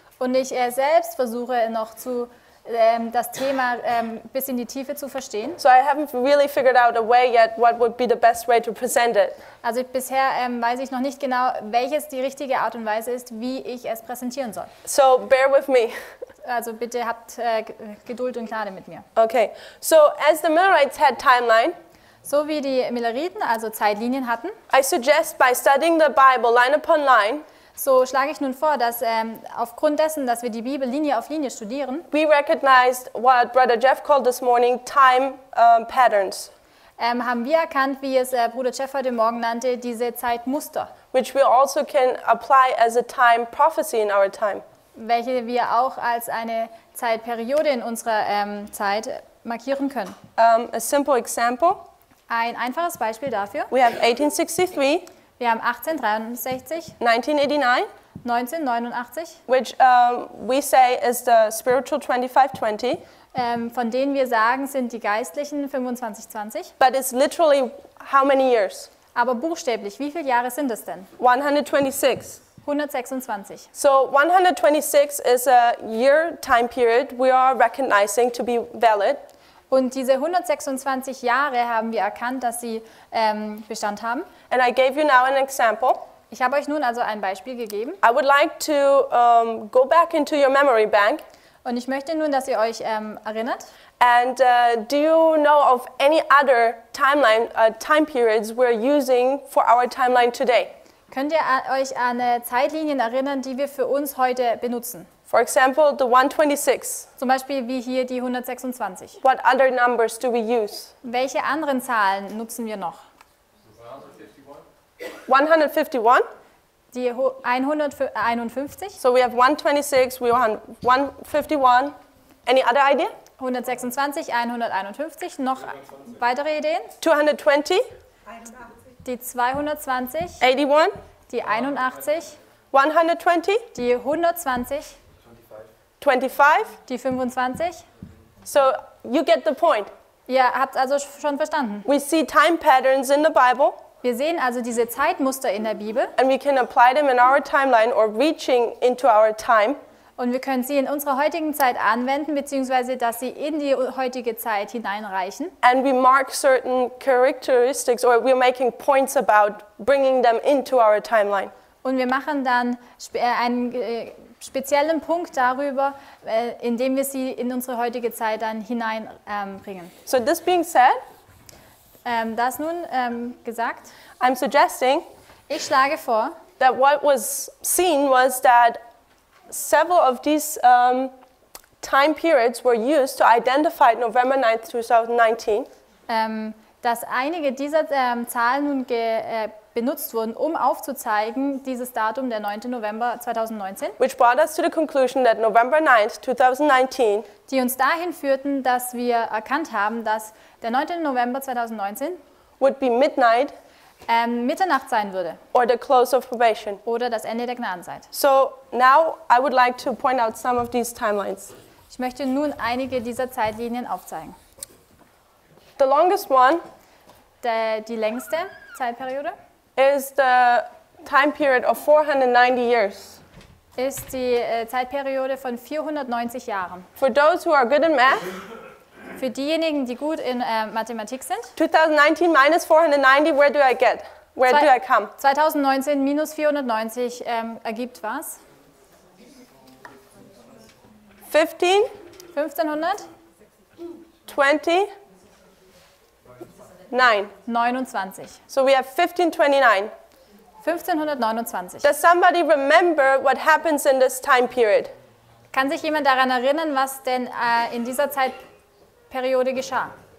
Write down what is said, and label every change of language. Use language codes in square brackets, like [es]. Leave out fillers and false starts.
[de] Und ich selbst versuche noch zu das Thema bis in die Tiefe zu verstehen. [en] So I haven't really figured out a way yet what would be the best way to present it. [de] Also bisher weiß ich noch nicht genau, welches die richtige Art und Weise ist, wie ich es präsentieren soll. [en] So bear with me. [de] also bitte habt Geduld und Gnade mit mir. [en] Okay, so as the Millerites had timeline, [de] so wie die Milleriten also Zeitlinien hatten, [en] I suggest by studying the Bible line upon line, [de] so schlage ich nun vor, dass aufgrund dessen, dass wir die Bibel Linie auf Linie studieren, [en] we recognized what Brother Jeff called this morning time patterns. [de] Haben wir erkannt, wie es Bruder Jeff heute Morgen nannte, diese Zeitmuster. [en] Which we also can apply as a time prophecy in our time. [de] Welche wir auch als eine Zeitperiode in unserer Zeit markieren können. [en] A simple example. [de] Ein einfaches Beispiel dafür. [en] We have 1863. [de] Wir haben 1863. [en] 1989. [de] 1989. [en] Which we say is the spiritual 2520. [de] Von denen wir sagen, sind die geistlichen 2520. [en] But it's literally how many years? [de] Aber buchstäblich, wie viele Jahre sind es denn? [en] 126. [de] 126. [en] So 126 is a year time period we are recognizing to be valid. [de] Und diese 126 Jahre haben wir erkannt, dass sie Bestand haben. [en] And I gave you now an example. [de] Ich habe euch nun also ein Beispiel gegeben. [en] I would like to go back into your memory bank. [de] Und ich möchte nun, dass ihr euch erinnert. [en] And do you know of any other timeline, time periods we're using for our timeline today? [de] Könnt ihr euch an Zeitlinien erinnern, die wir für uns heute benutzen? [en] For example, the 126. [de] Zum Beispiel wie hier die 126. [en] What other numbers do we use? [de] Welche anderen Zahlen nutzen wir noch? [en] 151. [de] Die 151. [en] So we have 126, we have 151. Any other idea? [de] 126, 151. Noch 120. Weitere Ideen? [en] 220. [de] 180. Die 220. [en] 81. [de] Die 81. [en] 120. [de] Die 120. [en] 25. [de] Die 25. [en] So you get the point. [de] Ihr habt also schon verstanden. [en] We see time patterns in the Bible. [de] Wir sehen also diese Zeitmuster in der Bibel. [en] And we can apply them in our timeline or reaching into our time. [de] Und wir können sie in unserer heutigen Zeit anwenden, beziehungsweise dass sie in die heutige Zeit hineinreichen. [en] And we mark certain characteristics or we're making points about bringing them into our timeline. [de] Und wir machen dann einen speziellen Punkt darüber, indem wir sie in unsere heutige Zeit dann hineinbringen. [en] So this being said, [de] das nun gesagt, [en] I'm suggesting, [de] ich schlage vor, [en] that what was seen was that several of these time periods were used to identify November 9th, 2019. [de] Dass einige dieser Zahlen nun benutzt wurden, um aufzuzeigen, dieses Datum der 9. November 2019. [en] Which brought us to the conclusion that November 9th, 2019, [de] die uns dahin führten, dass wir erkannt haben, dass der 9. November 2019 [en] would be midnight, [de] Mitternacht sein würde. [en] Or the close of probation. [de] Oder das Ende der Gnadenzeit. [en] So now I would like to point out some of these timelines. [de] Ich möchte nun einige dieser Zeitlinien aufzeigen. [en] The longest one, [de] die längste Zeitperiode, [en] is the time period of 490 years. [de] Ist die Zeitperiode von 490 Jahren. [en] For those who are good in math, [de] für diejenigen, die gut in Mathematik sind. [en] 2019 minus 490, where do I get? Where do I come? [de] 2019 minus 490 ergibt was? [en] 15? [de] 1500? 20? [en] 29. So we have 1529. [de] 1529. [en] Does somebody remember what happens in this time period? [de] Kann sich jemand daran erinnern, was denn in dieser Zeitperiode geschah?